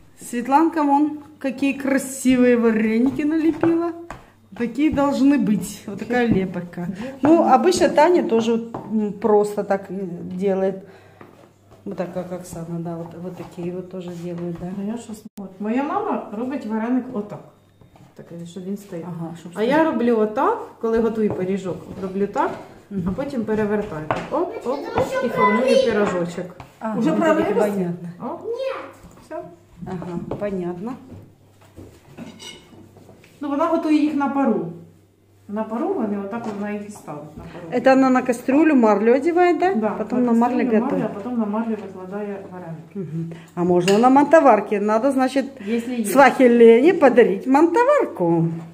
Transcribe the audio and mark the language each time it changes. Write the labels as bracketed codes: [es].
[ru] Светланка вон какие красивые вареники налепила. Такие должны быть. Вот такая лепочка. Ну, обычно Таня тоже просто так делает. Вот так, как Оксана, да, вот такие вот тоже делают, да. [uk] Моя мама робить вареник отак. Такий, щоб він стояв. Ага, щоб стояв. А я роблю отак, коли готую пиріжок, роблю так, а потім перевертаю. Оп, і формую пирожочек. [ru] Уже правильно? Понятно. [uk] Ні. [ru] Все. Ага, понятно. [uk] Ну, вона готує їх на пару. На пару вони отак вона їх і ставить. [ru] Это она на кастрюлю марлю одевает, да? Да, потом на кастрюлю марлю, готовит. А потом на марлю выкладає вареники. [uk] Угу. А можна на мантоварки. [ru] Надо, значит, если свахе есть. Лені подарить мантоварку.